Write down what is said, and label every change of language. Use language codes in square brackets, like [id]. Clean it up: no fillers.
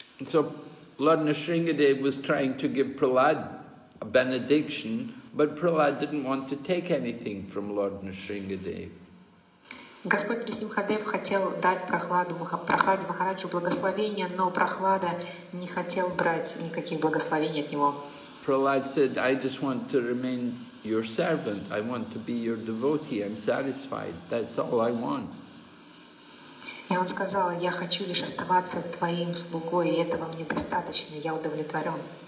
[en] So Lord Nrisimhadev was trying to give Prahlad a benediction, but Prahlad didn't want to take anything from Lord Nrisimhadev. [ru] Господь Нрисимхадев хотел дать Прахладе Махараджу благословение, но Прахлада не хотел брать никаких благословений от него. [en] Prahlad said, I just want to remain your servant. I want to be your devotee. I'm satisfied. That's all I want. [ru] И он сказал, я хочу лишь оставаться твоим слугой, и этого мне достаточно, я удовлетворен.